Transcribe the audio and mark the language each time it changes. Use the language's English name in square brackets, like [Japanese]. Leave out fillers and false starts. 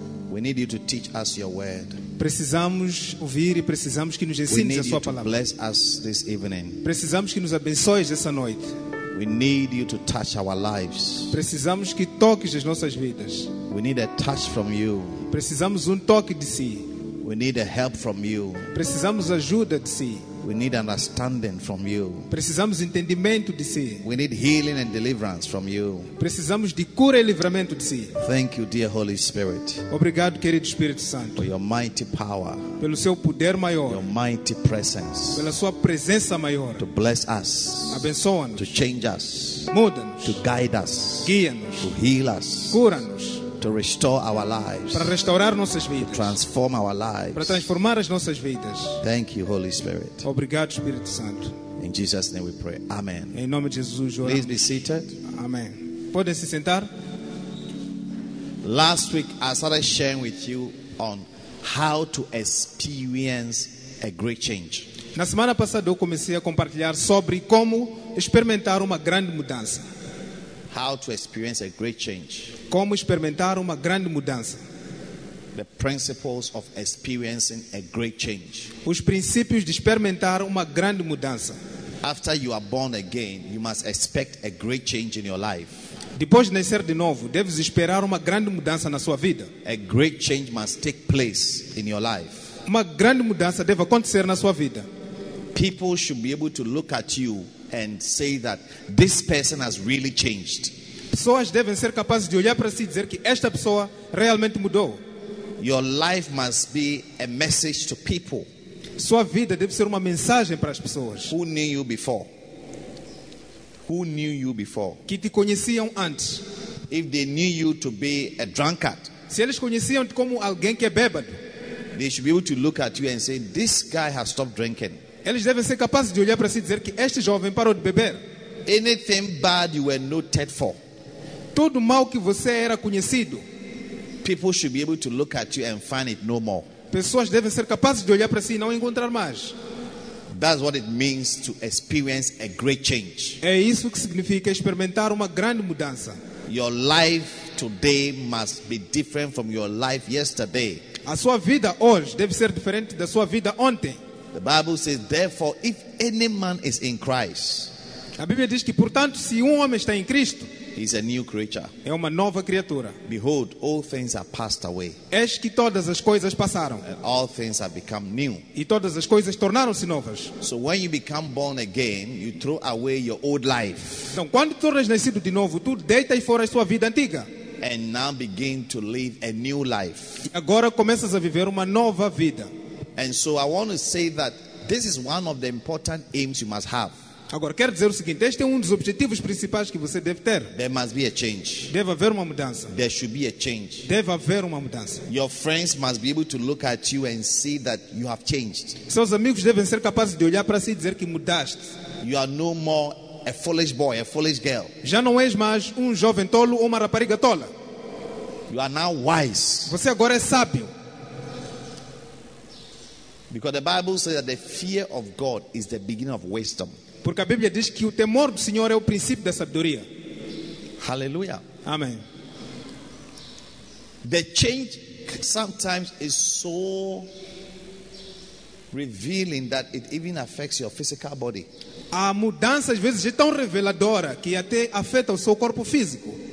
[English] We need you to teach us your word. [Portuguese] Precisamos ouvir e precisamos que nos ensines a sua palavra. [English] We need you to bless us this evening. [Portuguese] Precisamos que nos abençoes essa noite. [English] We need you to touch our lives. [Portuguese] Precisamos que toques as nossas vidas. [English] We need a touch from you. [Portuguese] Precisamos toque de si. [English] We need a help from you. [Portuguese] Precisamos ajuda de si. [English] We need understanding from you. [Portuguese] Precisamos entendimento de si. [English] We need healing and deliverance from you. [Portuguese] Precisamos de cura e livramento de si. [English] Thank you, dear Holy Spirit. [Portuguese] Obrigado, querido Espírito Santo. [English] For your mighty power. [Portuguese] Pelo seu poder maior. [English] Your mighty presence. [Portuguese] Pela sua presença maior. [English] To bless us. [Portuguese] Abençoa-nos. [English] To change us. [Portuguese] Muda-nos. [English] To guide us. [Portuguese] Guia-nos. [English] To heal us. [Portuguese] Cura-nos. [English] To restore our lives. [Portuguese] Para restaurar nossas vidas. [English] To transform our lives. [Portuguese] Para transformar as nossas vidas. [English] Thank you, Holy Spirit. [Portuguese] Obrigado, Espírito Santo. [English] In Jesus' name we pray. Amen. [Portuguese] Em nome de Jesus, oramos. [English] Please be seated. [Portuguese] Amen. Podem se sentar. [English] Last week I started sharing with you on how to experience a great change. [Portuguese] Na semana passada eu comecei a compartilhar sobre como experimentar uma grande mudança. [English] How to experience a great change. [Portuguese] Como experimentar uma grande mudança. [English] The principles of experiencing a great change. [Portuguese] Os princípios de experimentar uma grande mudança. [English] After you are born again, you must expect a great change in your life. [Portuguese] Depois de nascer de novo, deves esperar uma grande mudança na sua vida. [English] A great change must take place in your life. [Portuguese] Uma grande mudança deve acontecer na sua vida. [English] People should be able to look at you and say that this person has really changed. [Portuguese] Pessoas devem ser capazes de olhar para si e dizer que esta pessoa realmente mudou. [English] Your life must be a message to people. [Portuguese] Sua vida deve ser uma mensagem para as pessoas. [English] Who knew you before? Who knew you before? [Portuguese] Que te conheciam antes. [English] If they knew you to be a drunkard. [Portuguese] Se eles conheciam-te como alguém que é bêbado. [English] They should be able to look at you and say, this guy has stopped drinking. [Portuguese] Eles devem ser capazes de olhar para si e dizer que este jovem parou de beber. [English] Anything bad you were noted for. [Portuguese] Todo mal que você era conhecido. [English] People should be able to look at you and find it no more. [Portuguese] Pessoas devem ser capazes de olhar para si e não encontrar mais. [English] That's what it means to experience a great change. [Portuguese] É isso que significa experimentar uma grande mudança. [English] Your life today must be different from your life yesterday. [Portuguese] A sua vida hoje deve ser diferente da sua vida ontem. [English] The Bible says, therefore, if any man is in Christ, [Portuguese] a Bíblia diz que, portanto, se homem está em Cristo, [English] he is a new creature. [Portuguese] É uma nova criatura. [English] Behold, all things are passed away. [Portuguese] Eis que todas as coisas passaram. [English] And all things have become new. [Portuguese] E todas as coisas tornaram-se novas. [English] So when you become born again, you throw away your old life. [Portuguese] Então, quando tornas nascido de novo, tu deitas fora a sua vida antiga. [English] And now begin to live a new life. [Portuguese] E agora começas a viver uma nova vida. [English] And so I want to say that this is one of the important aims you must have. [Portuguese] Agora quero dizer o seguinte, este é dos objetivos principais que você deve ter. [English] There must be a change. [Portuguese] Deve haver uma mudança. [English] There should be a change. [Portuguese] Deve haver uma mudança. [English] Your friends must be able to look at you and see that you have changed. [Portuguese] Seus amigos devem ser capazes de olhar para si e dizer que mudaste. [English] You are no more a foolish boy, a foolish girl. [Portuguese] Já não és mais jovem tolo ou uma rapariga tola. [English] You are now wise. [Portuguese] Você agora é sábio. [English] Because the Bible says that the fear of God is the beginning of wisdom. [Portuguese] Porque a Bíblia diz que o temor do Senhor é o princípio da sabedoria. [English] Hallelujah. [Portuguese] Amen. [English] The change sometimes is so revealing that it even affects your physical body. [Portuguese] A mudança às vezes é tão reveladora que até afeta o seu corpo físico.